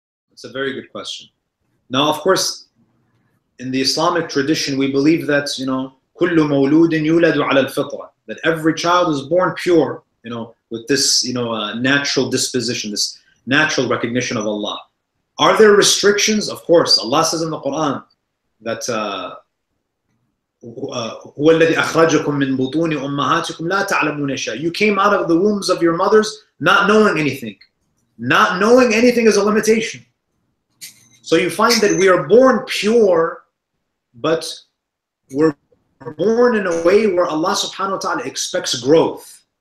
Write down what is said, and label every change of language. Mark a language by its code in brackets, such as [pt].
[en] That's a very good question. Now, of course, in the Islamic tradition, we believe that, you know, [ar] كل مولود يولد على الفطرة, [en] that every child is born pure, you know, with this, you know, natural disposition, this natural recognition of Allah. Are there restrictions? Of course, Allah says in the Quran that [ar] هو الذي أخرجكم من بطون أمهاتكم لا تعلمون شيء. [en] You came out of the wombs of your mothers not knowing anything. Not knowing anything is a limitation. So you find that we are born pure, but we're born in a way where Allah subhanahu wa ta'ala expects growth.